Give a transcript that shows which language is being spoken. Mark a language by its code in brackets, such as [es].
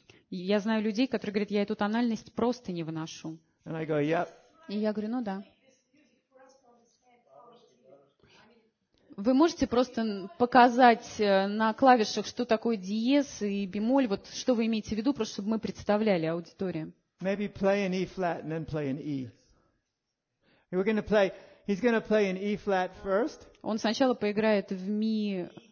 [ru] Я знаю людей, которые говорят, я эту тональность просто не выношу. [en] And I go, yep. [ru] И я говорю, ну да. Вы можете просто показать на клавишах, что такое диез и бемоль, вот что вы имеете в виду, просто чтобы мы представляли аудитории. [en] Maybe play an E flat and then play an E. We're gonna play. He's gonna play an E flat first. [ru] Он сначала поиграет в ми.